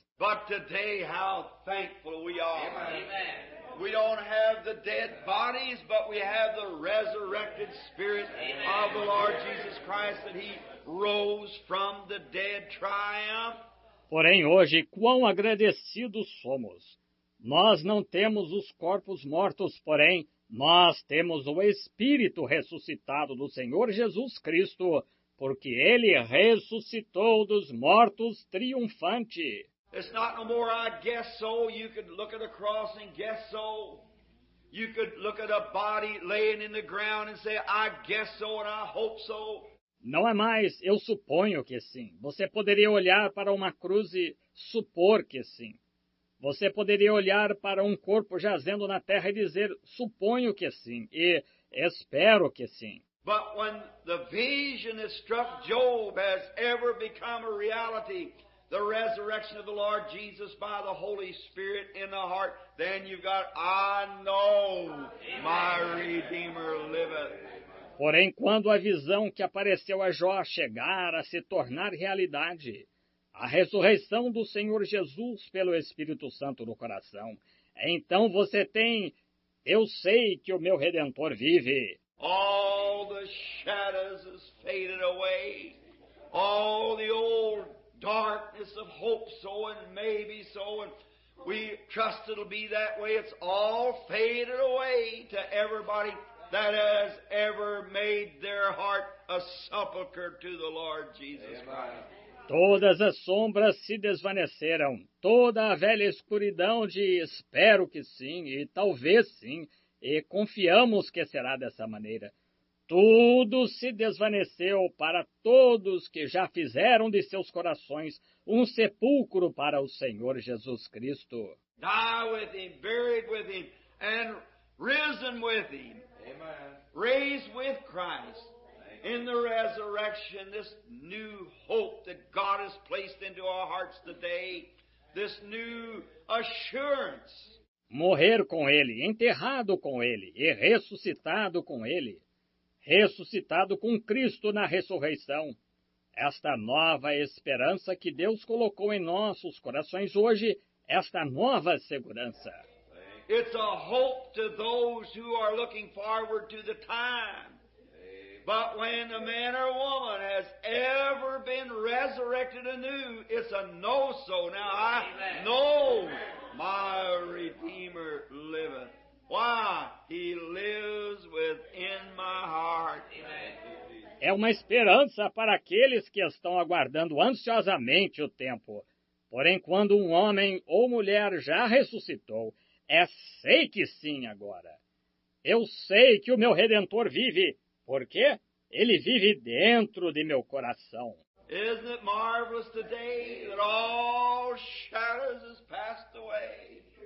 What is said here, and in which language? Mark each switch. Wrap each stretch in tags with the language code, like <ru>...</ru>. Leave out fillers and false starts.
<en>But today, how thankful we are. Amen. We don't have the dead bodies, but we have the resurrected spirit Amen. Of the Lord Jesus Christ, that He rose from the dead triumph.</en> <pt>Porém, hoje, quão agradecidos somos. Nós não temos os corpos mortos, porém, nós temos o Espírito ressuscitado do Senhor Jesus Cristo, porque Ele ressuscitou dos mortos triunfante.</pt> <en>It's not no more I guess so. You could look at a cross and guess so. You could look at a body laying in the ground and say, I guess so and I hope so.</en> <pt>Não é mais eu suponho que sim. Você poderia olhar para uma cruz e supor que sim. Você poderia olhar para um corpo jazendo na terra e dizer, suponho que sim e espero que sim.</pt> <en>But when the vision that struck Job has ever become a reality, the resurrection of the Lord Jesus by the Holy Spirit in the heart, then you've got, I know my Redeemer liveth.</en> <pt>Porém, quando a visão que apareceu a Jó chegar a se tornar realidade, a ressurreição do Senhor Jesus pelo Espírito Santo no coração, então você tem, eu sei que o meu Redentor vive.</pt> <en>All the shadows has faded away. All the old darkness of hope so and maybe so and we trust it'll be that way. It's all faded away to everybody that has ever made their heart a sepulcher to the Lord Jesus Christ.</en> <pt>Todas as sombras se desvaneceram. Toda a velha escuridão de espero que sim e talvez sim e confiamos que será dessa maneira. Tudo se desvaneceu para todos que já fizeram de seus corações um sepulcro para o Senhor Jesus Cristo.</pt> <en>Die with Him, buried with Him, and risen with Him. Amen. Raised with Christ. In the resurrection, this new hope that God has placed into our hearts today, this new assurance.</en> <pt>Morrer com Ele, enterrado com Ele e ressuscitado com Ele. Ressuscitado com Cristo na ressurreição. Esta nova esperança que Deus colocou em nossos corações hoje, esta nova segurança.</pt> <en>It's a hope to those who are looking forward to the time. But when a man or woman has ever been resurrected anew, it's a no-so. Now I know my Redeemer liveth. Why? He lives within my heart.</en> <pt>É uma esperança para aqueles que estão aguardando ansiosamente o tempo. Porém, quando um homem ou mulher já ressuscitou, é sei que sim agora. Eu sei que o meu Redentor vive. Por quê? Ele vive dentro de meu coração.</pt> <en>Isn't it marvelous today that all shadows has passed away?</en>